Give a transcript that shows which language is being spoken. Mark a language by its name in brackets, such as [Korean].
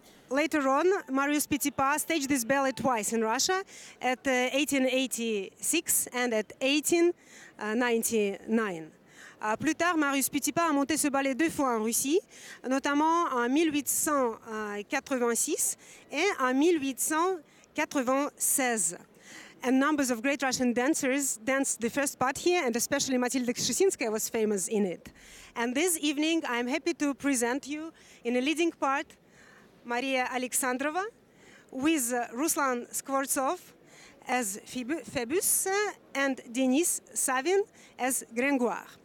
[English] Later on, Marius Petipa staged this ballet twice in Russia, at 1886 and at 1899. [French] Plus tard, Marius Petipa a monté ce ballet deux fois en Russie, notamment en 1886 et en 1896. [English] And numbers of great Russian dancers danced the first part here, and especially Matilda Kshesinskaya was famous in it. And this evening, I'm happy to present you in a leading part Maria Alexandrova with Ruslan Skvortsov as Phoebus and Denis Savin as Gringoire.